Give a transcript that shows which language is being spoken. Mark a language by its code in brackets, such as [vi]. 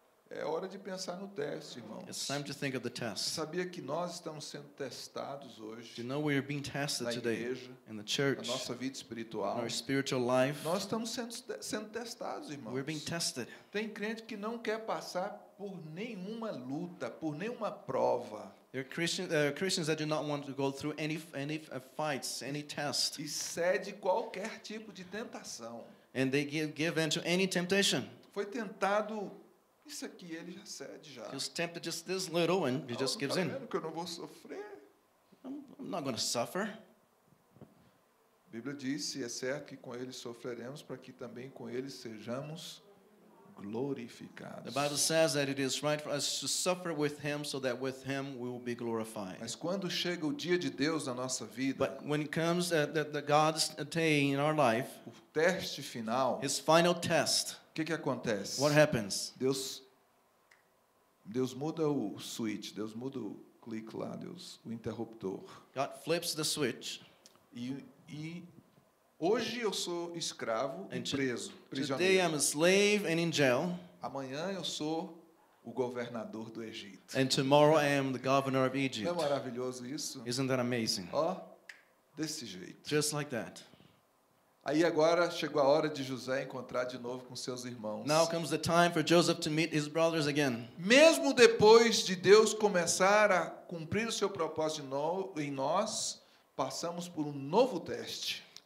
[pt] É hora de pensar no teste, irmãos. [en] It's time to think of the test. [pt] Você sabia que nós estamos sendo testados hoje? [en] You know we are being tested [pt] na [en] today [pt] igreja, [en] in the church, [pt] na nossa vida espiritual, [en] our spiritual life. [pt] Nós estamos sendo testados, irmãos. [en] We're being tested. [pt] Tem crente que não quer passar por nenhuma luta, por nenhuma prova. [en] There are Christians that do not want to go through any fights, any test. [pt] E cede qualquer tipo de tentação. [en] And they give in to any temptation. [pt] Foi tentado isso aqui, ele já cede já. [en] He was tempted just this little and he just gives in. [pt] Que eu não vou sofrer. [en] I'm not going to suffer. [pt] A Bíblia diz, se é certo que com ele sofreremos, para que também com ele sejamos glorificados. [en] The Bible says that it is right for us to suffer with him so that with him we will be glorified. [pt] Mas quando chega o dia de Deus na nossa vida, [en] but when it comes the God's day in our life, [pt] o teste final, [en] his final test, [pt] o que acontece? [en] What happens? [pt] Deus muda o switch, Deus muda o clique lá, Deus, o interruptor. [en] God flips the switch. [pt] E hoje eu sou escravo e preso, prisioneiro. [en] Today I'm a slave and in jail. [pt] Amanhã eu sou o governador do Egito. [en] And tomorrow I am the governor of Egypt. [pt] Não é maravilhoso isso? [en] Isn't that amazing? [pt] Oh, desse jeito. [en] Just like that. [pt] Aí agora chegou a hora de José encontrar de novo com seus irmãos. [en] Now comes the time for Joseph to meet his brothers again. [pt] Mesmo depois de Deus começar a cumprir o seu propósito em nós, passamos por um novo teste.